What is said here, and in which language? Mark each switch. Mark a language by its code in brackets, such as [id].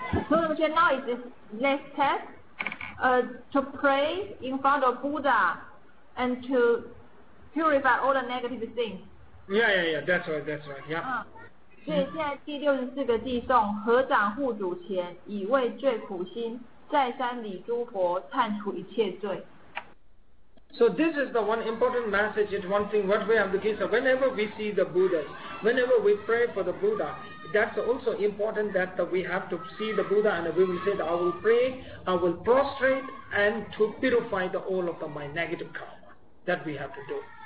[en] So now is the next test, to pray in front of Buddha and to purify all the negative things. Yeah, that's right, yeah. [zh] 所以现在第六十四个偈颂，合掌护主前，以为最苦心，再三礼诸佛，忏除一切罪。 [en] So this is the one important message. It's one thing what we have to keep. So whenever we see the Buddha, whenever we pray for the Buddha, that's also important that we have to see the Buddha and we will say that I will pray, I will prostrate and to purify the all of my negative karma that we have to do.